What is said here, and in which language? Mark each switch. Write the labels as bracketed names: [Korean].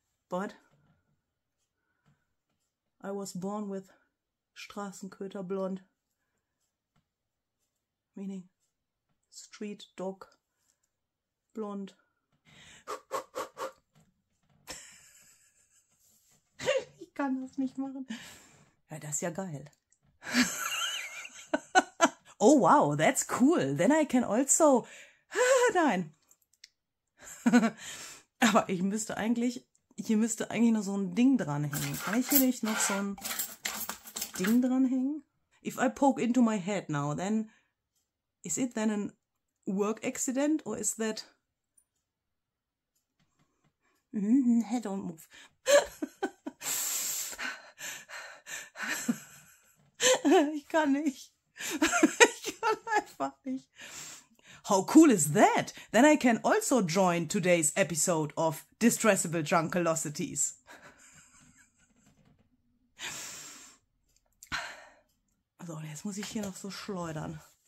[English] But I was born with Straßenköter blonde, meaning street dog blonde. [German] Ich kann das nicht machen. Ja, das ist ja geil. [English] Oh wow, that's cool. Then I can also [German] Nein. Aber ich müsste eigentlich, hier müsste eigentlich noch so ein Ding dranhängen. Kann ich hier nicht noch so ein Ding dranhängen? [English] If I poke into my head now, then is it then a work accident or is that... Head don't move. [German] Ich kann nicht. Ich kann einfach nicht. [English] How cool is that? Then I can also join today's episode of Distressable Junkolosities. [German] So, jetzt muss ich hier noch so schleudern.